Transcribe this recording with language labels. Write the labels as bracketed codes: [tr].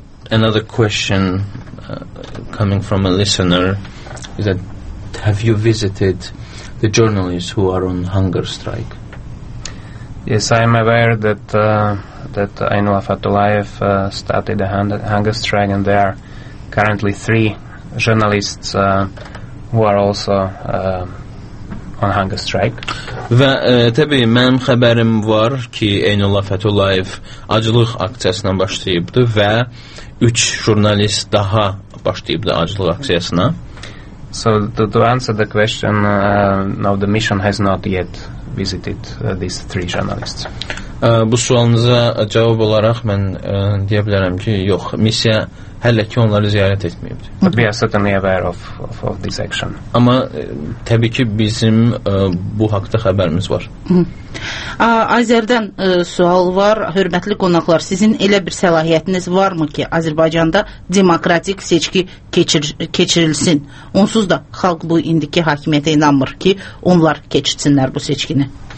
[en] Another question coming from a listener is that have you visited the journalists who are on hunger strike? Yes, I am aware that that Eynola Fətullayev started a hunger strike and there are currently three journalists who are also on hunger strike. [az] Və təbii mənim xəbərim var ki, Eynola Fətullayev aclıq aksiyasına başlayıbdı və üç jurnalist daha başlayıbdı aclıq aksiyasına. [en] So to answer the question, now the mission has not yet visited these three journalists. [az] Bu sualınıza cavab olaraq mən deyə bilərəm ki, yox, missiya hələ ki onları ziyarət etməyibdi. [en] But we are certainly aware of this action. [az] Amma təbii ki, bizim bu haqda xəbərimiz var. Azərdən sual var. Hörmətli qonaqlar, sizin elə bir səlahiyyətiniz varmı ki, Azərbaycanda demokratik seçki keçirilsin? Onsuz da xalq bu indiki hakimiyyətə inanmır ki, onlar keçirsinlər bu seçkini.